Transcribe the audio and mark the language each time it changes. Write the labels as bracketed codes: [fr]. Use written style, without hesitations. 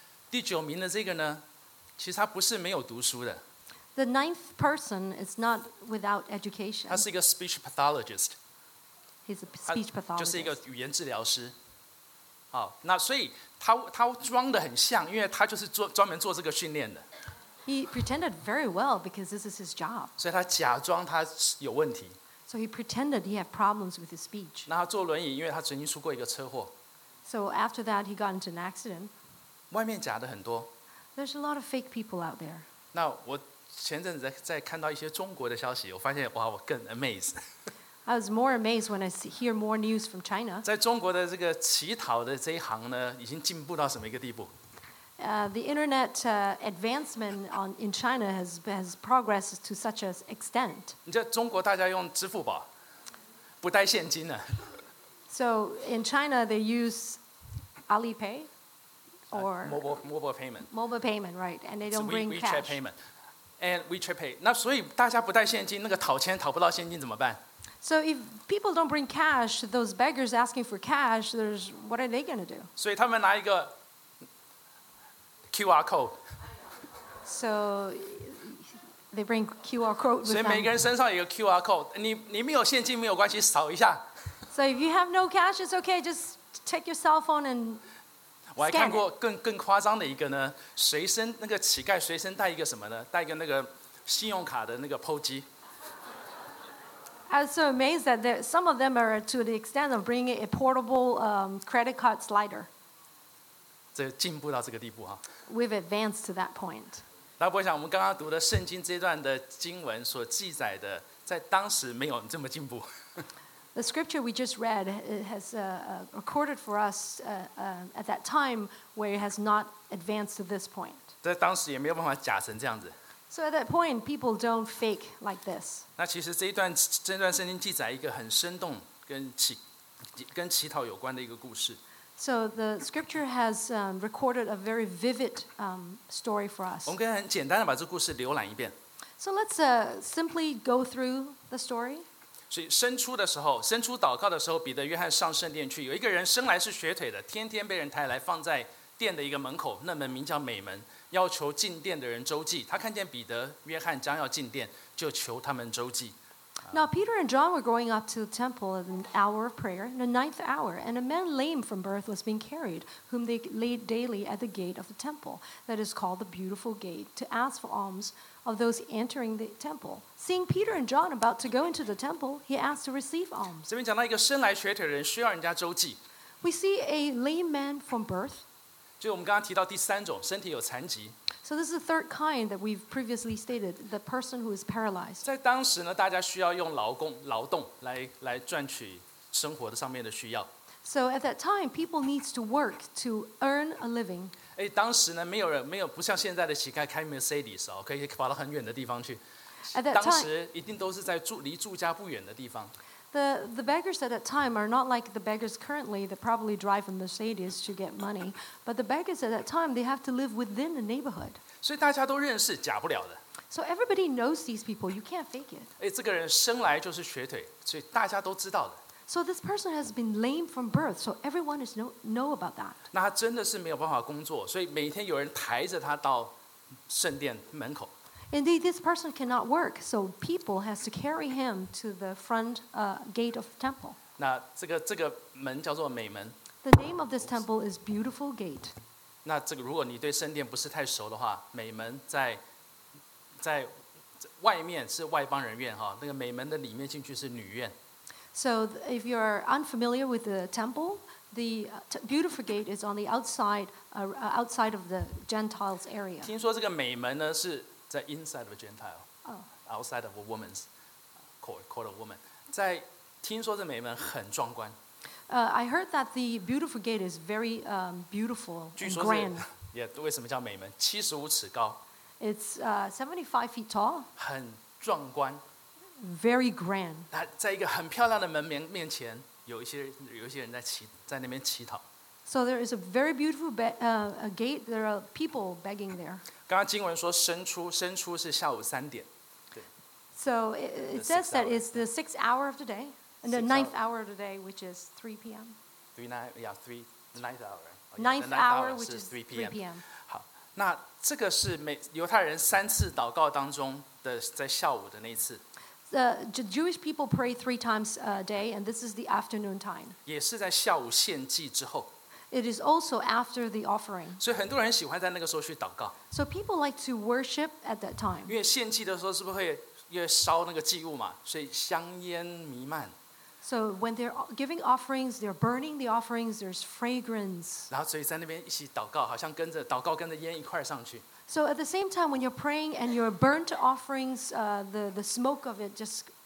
[zh] 第九名的这个呢，其实他不是没有读书的。 [en] The ninth person is not without education. [zh] 他是一个 [en] speech pathologist. He's a speech pathologist. [zh] 就是一个语言治疗师。好，那所以他装得很像，因为他就是专门做这个训练的。 [en] He pretended very well because this is his job. [zh] 所以他假装他有问题。 [en] So he pretended he had problems with his speech. [zh] 然后坐轮椅，因为他曾经出过一个车祸。 [en] So after that, he got into an accident. [zh] 外面假的很多。 [en] There's a lot of fake people out there. [zh] 那我前阵子在看到一些中国的消息，我发现哇，我更 [en] amazed. I was more amazed when I hear more news from China. [zh] 在中国的这个乞讨的这一行呢，已经进步到什么一个地步？ [en] The internet advancement in China has progressed to such an extent. [zh] 你知道中国大家用支付宝，不带现金了。 [en] So in China they use Alipay or mobile payment. Mobile payment, right? And they don't bring WeChat payment. And WeChat Pay. [zh] 那所以大家不带现金，那个讨钱讨不到现金怎么办？ [en] So if people don't bring cash, those beggars asking for cash, there's what are they going to do? [zh] 所以他们拿一个 QR code. [en] So they bring QR code. [zh] 所以每个人身上有 QR code. 你没有现金没有关系，扫一下。 [en] So if you have no cash, it's okay. Just take your cell phone and scan. [zh] 我还看过更夸张的一个呢，随身那个乞丐随身带一个什么呢？带一个那个信用卡的那个 POS 机。 [en] I was so amazed that some of them are to the extent of bringing a portable credit card slider. [zh] 这进步到这个地步啊。 [en] We've advanced to that point. [zh] 那我想我们刚刚读的圣经这段的经文所记载的，在当时没有这么进步。 [en] The scripture we just read has recorded for us at that time where it has not advanced to this point. [zh] 在当时也没有办法假成这样子。 [en] So at that point, people don't fake like this. [zh] 那其实这段圣经记载一个很生动跟乞讨有关的一个故事。 [en] So the scripture has recorded a very vivid story for us. [zh] 我们可以很简单的把这故事浏览一遍。 [en] So let's simply go through the story. [zh] 所以伸出祷告的时候，彼得、约翰上圣殿去。有一个人生来是瘸腿的，天天被人抬来放在殿的一个门口，那门名叫美门。要求进殿的人周济，他看见彼得、约翰将要进殿，就求他们周济。 [en] Now Peter and John were going up to the temple at an hour of prayer, the ninth hour, and a man lame from birth was being carried, whom they laid daily at the gate of the temple, that is called the Beautiful Gate, to ask for alms of those entering the temple. Seeing Peter and John about to go into the temple, he asked to receive alms. [zh] 这边讲到一个生来瘸腿的人需要人家周济。 [en] We see a lame man from birth. [zh] 就我们刚刚提到第三种身体有残疾。 [en] So this is the third kind that we've previously stated, the person who is paralyzed. [zh] 在当时呢，大家需要用劳动来赚取生活的上面的需要。 [en] So at that time, people needs to work to earn a living. [zh] 当时呢，没有不像现在的乞丐开 Mercedes 哦，可以跑到很远的地方去。 [en] At that time, [zh] 当时一定都是在离住家不远的地方。 [en] The beggars at that time are not like the beggars currently that probably drive a Mercedes to get money. But the beggars at that time, they have to live within the neighborhood. [zh] 所以大家都认识，假不了的。 [en] So everybody knows these people. You can't fake it. [zh] 这个人生来就是瘸腿，所以大家都知道的。 [en] So this person has been lame from birth, so everyone is know about that. [zh] 那他真的是没有办法工作，所以每天有人抬着他到圣殿门口。 [en] Indeed, this person cannot work, so people has to carry him to the front gate of the temple. [zh] 那这个门叫做美门。 [en] The name of this temple is Beautiful Gate. [zh] 那这个如果你对圣殿不是太熟的话，美门在外面是外邦人院哈，那个美门的里面进去是女院。 [en] So if you are unfamiliar with the temple, the Beautiful Gate is on the outside of the Gentiles area. [zh] 听说这个美门呢是。在 [en] inside of a Gentile,、oh. outside of a woman's court of woman. [zh] 在听说这美门很壮观。 [en] I heard that the beautiful gate is very beautiful and grand. [zh] 也为什么叫美门？七十五尺高。 [en] It's 75 feet tall. [zh] 很壮观。 [en] Very grand. [zh] 那在一个很漂亮的门面前，有一些人在那边乞讨。 [en] So there is a very beautiful a gate. There are people begging there. [zh] 刚刚经文说伸出是下午三点。 [en] So it says that it's the sixth hour of the day, and the ninth hour of the day, which is 3 p.m. Ninth hour. Ninth hour, which is 3 p.m. [zh] 好，那这个是犹太人三次祷告当中的在下午的那一次。 [en] The Jewish people pray three times a day, and this is the afternoon time. [zh] 也是在下午献祭之后。 [en] It is also after the offering. [zh] 所以很多人喜欢在那个时候去祷告。 [en] So people like to worship at that time. [zh] 因为献祭的时候是不是会烧那个祭物嘛？所以香烟弥漫。 [en] So when they're giving offerings, they're burning the offerings. There's fragrance. [zh] 然后所以在那边一起祷告，好像跟着祷告跟着烟一块上去。 [en] So at the same time, when you're praying and you're burnt offerings, the smoke of it just